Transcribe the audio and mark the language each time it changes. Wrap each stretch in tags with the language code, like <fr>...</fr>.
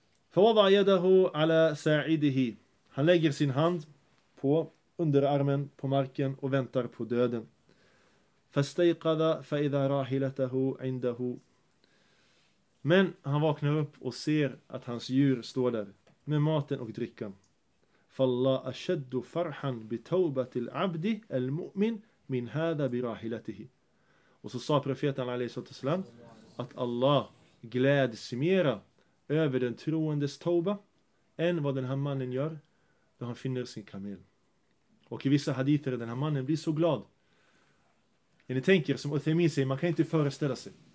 <ar>Fawada yadahu ala sa'idihi.</ar> <sv>Han lägger sin hand på underarmen på marken och väntar på döden.</sv> <ar>Fastayqadha fa idha rahilatahu indahu.</ar> <sv>Men han vaknar upp och ser att hans djur står där med maten och drickan.</sv> <ar>فالله أشد فرحا بتوبة العبد المؤمن من هذا براحلته.</ar> <sv>Och så sa profeten alaihissalam att Allah gläds mera över den troendes tauba än vad den här mannen gör när han finner sin kamel. Och i vissa hadither den här mannen blir så glad. Ni tänker som Uthaymin säger, man kan inte föreställa sig.</sv>